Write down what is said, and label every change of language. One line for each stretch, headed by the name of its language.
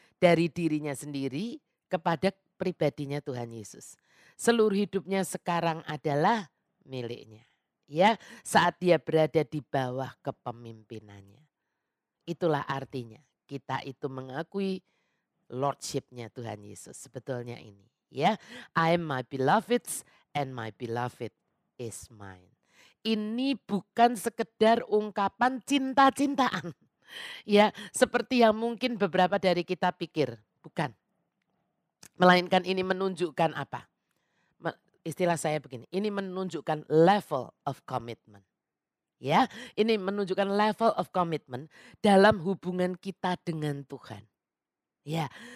Indonesian: Dari dirinya sendiri kepada pribadinya Tuhan Yesus. Seluruh hidupnya sekarang adalah miliknya. Ya, saat dia berada di bawah kepemimpinannya. Itulah artinya kita itu mengakui lordship-nya Tuhan Yesus sebetulnya ini.
English: Ya, I am my beloved's and my beloved is mine.
Indonesian: Ini bukan sekedar ungkapan cinta-cintaan. Ya, seperti yang mungkin beberapa dari kita pikir, bukan. Melainkan ini menunjukkan apa? Istilah saya begini, ini menunjukkan
English: level of commitment.
Indonesian: Ya, ini menunjukkan
English: level of commitment
Indonesian: dalam hubungan kita dengan Tuhan. Ya.